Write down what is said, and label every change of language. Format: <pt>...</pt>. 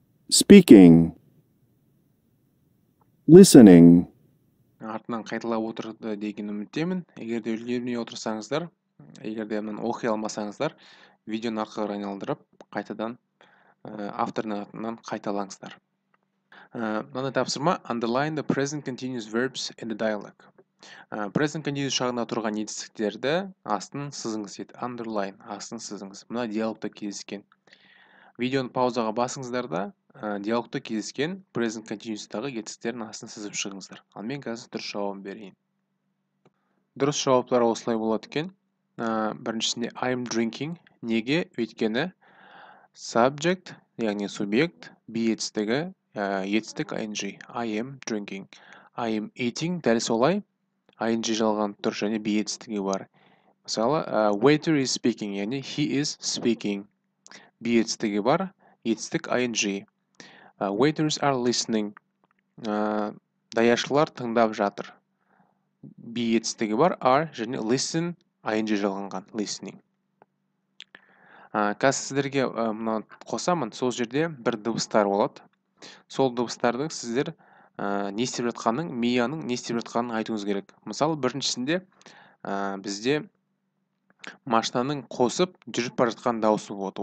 <en>Speaking. Listening.</en> <kk>Артынан қайталап отырды деген үміттемін. Егер де үлгермей отырсаңыздар, егер де мен оқи алмасаңыздар, видеоны арқа қарай айналдырып, қайтадан авторының атынан қайталаңыздар. Мынадай тапсырма:</kk> <en>underline the present continuous verbs in the dialogue.</en> <kk>Present continuous шағында тұрған етістіктерді астын сызыңыз. Underline астын сызыңыз. Мына диалогта кездескен. Видеоны паузаға басыңыздар да, диалогта кездескен present continuous-тағы етістіктерін астын сызып шығыңыздар. Ал мен қазір дұрыс жауабын берейін. Дұрыс жауаптар осылай болады екен. Біріншісінде</kk> <en>I'm drinking.</en> <kk>Неге? Өйткені subject, яғни субъект, be етістігі, етістік ing.</kk> <en>I am drinking. I am eating.</en> <kk>Дәл солай. ING жалған тұр және be етістігі бар. Мысалы,</kk> <en>waiter is speaking,</en> <kk>яғни</kk> <en>he is speaking.</en> <kk>Be етістігі бар, етістік ING.</kk> <en>Waiters are listening.</en> <kk>Даяшылар тыңдап жатыр. Be етістігі бар, are және listen ING жалғанған, listening. Қазір сіздерге мұны қосамын, сол жерде бір дыбыстар болады. Сол дыбыстардың сіздер не істеп жатқанын, мияның не істеп жатқанын айтуыңыз керек. Мысалы, біріншісінде бізде машинаның қосып жүріп бара жатқан дауысы болады.</kk>